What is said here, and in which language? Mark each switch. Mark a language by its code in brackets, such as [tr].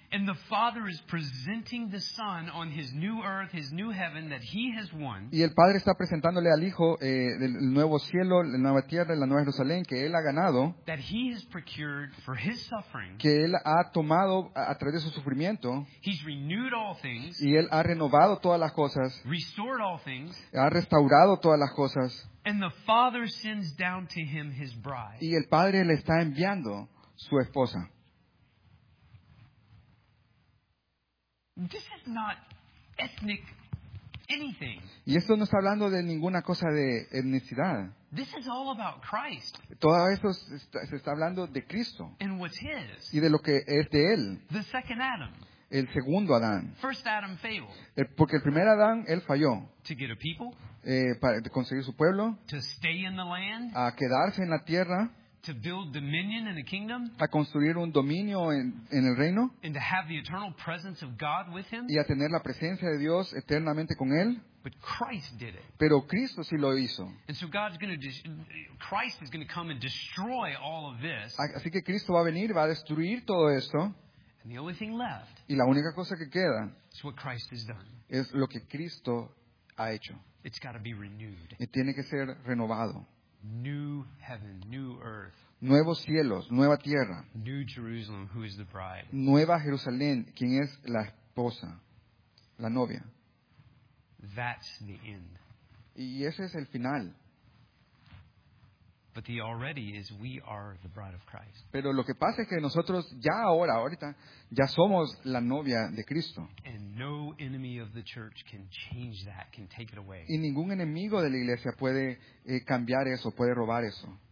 [en] And the Father is presenting the Son on his new earth, his new heaven that he has won. [es] Y el Padre está presentándole al Hijo el nuevo cielo, la nueva tierra, la nueva Jerusalén que él ha ganado. [en] That he has procured for his suffering. [es] Que él ha tomado a través de su sufrimiento. [en] He's renewed all things. [es] Y él ha renovado todas las cosas. [en] Restored all things. [es] Ha restaurado todas las cosas. [en] And the Father sends down to him his bride. [es] Y el Padre le está enviando su esposa. [en] This is not ethnic anything. [es] Y esto no está hablando de ninguna cosa de etnicidad. [en] This is all about Christ. [es] Todo esto se está hablando de Cristo. [en] And what's his. [es] Y de lo que es de él. [en] The second Adam. [es] El segundo Adán. [en] First Adam failed. [es] Porque el primer Adán, él falló. [en] To get a people. [es] Para conseguir su pueblo. [en] To stay in the land. [es] A quedarse en la tierra. [en] To build dominion in the kingdom, [es] a construir un dominio en el reino, [en] and to have the eternal presence of God with him, [es] y a tener la presencia de Dios eternamente con él. [en] But Christ did it. [es] Pero Cristo sí lo hizo. [en] And so God's going to Christ is going to come and destroy all of this. [es] Así que Cristo va a venir, va a destruir todo esto. [en] And the only thing left, [es] y la única cosa que queda, [en] is what Christ has done. [es] Es lo que Cristo ha hecho. [en] It's got to be renewed. [es] Y tiene que ser renovado. [en] New heaven, new earth. [es] Nuevos cielos, nueva tierra. [en] New Jerusalem, who is the bride. [es] Nueva Jerusalén, quien es la esposa, la novia. [en] That's the end. [es] Y ese es el final. [en] But the already is we are the bride of Christ. [es] Pero lo que pasa es que nosotros ya ahora, ahorita, ya somos la novia de Cristo. [en] And no enemy of the church can change that, can take it away. [es] Y ningún enemigo de la iglesia puede cambiar eso, puede robar eso.